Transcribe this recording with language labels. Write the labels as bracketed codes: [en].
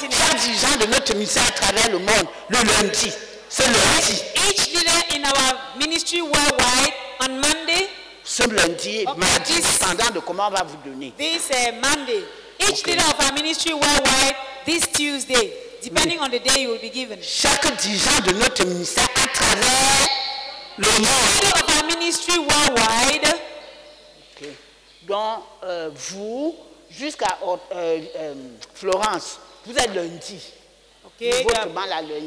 [fr] Chaque dirigeant de notre ministère à travers le monde, le lundi, ce lundi. [en] Each leader in our ministry worldwide on Monday. [fr] Ce lundi, mardi, dépendant de comment on va vous donner. [en] This Monday. Each leader of our ministry worldwide this Tuesday, depending on the day you will be given. [fr] Chaque dirigeant de notre ministère à travers le [en] leader of our ministry worldwide. [fr] Ok. Donc, vous, jusqu'à Florence, vous êtes lundi. Ok. Votre banc là lundi.